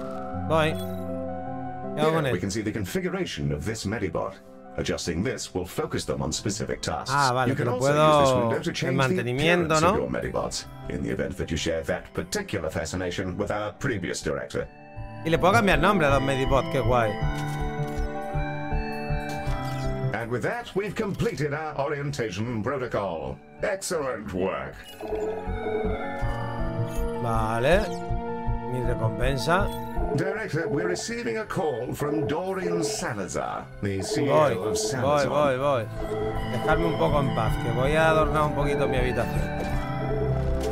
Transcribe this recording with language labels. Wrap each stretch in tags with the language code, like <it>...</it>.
<en>Here, we can see the configuration of this medibot. Adjusting this will focus them on specific tasks.</en> <es>Ah, vale,</es> <en>you can</en> <es>puedo</es> <en>use this window to change the appearance of your medibots in the event that you share that particular fascination with our previous director.</en> <es>Y le puedo cambiar nombre a los medibots, qué guay.</es> <en>And with that, we've completed our orientation protocol. Excellent work.</en> <es>Vale. Mi recompensa.</es> <en>Director, we're receiving a call from Dorian Salazar, the CEO of Salazar.</en> <es>Voy. Dejadme un poco en paz, que voy a adornar un poquito mi habitación.</es>